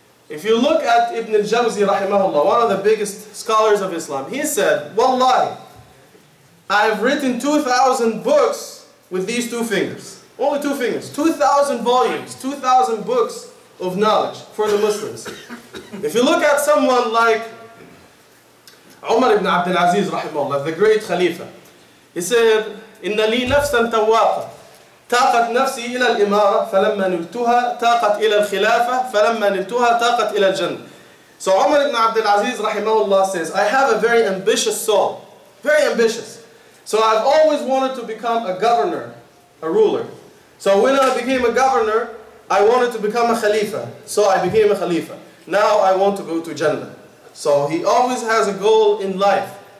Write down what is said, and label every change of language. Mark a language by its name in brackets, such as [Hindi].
[English] If you look at Ibn al-Jawzi rahimahullah, one of the biggest scholars of Islam, he said, wallahi, I have written 2,000 books with these two fingers. Only two fingers. 2,000 volumes, 2,000 books of knowledge for the Muslims. If you look at someone like Umar ibn Abdul Aziz rahimahullah, the great Khalifa, he said, [Arabic] إِنَّ لِي نَفْسًا تَوَّاقًا تَاقَتْ نَفْسِي إِلَى الْإِمَارَةَ فَلَمَّا نِلْتُهَا تَاقَتْ إِلَى الْخِلَافَةَ فَلَمَّا نِلْتُهَا تَاقَتْ إِلَى الْجَنَّةَ. [English] So Umar ibn Abdul Aziz rahimahullah says, I have a very ambitious soul, very ambitious. So I've always wanted to become a governor, a ruler. So when I became a governor, I wanted to become a khalifa. So I became a khalifa. Now I want to go to Jannah. So he always has a goal in life.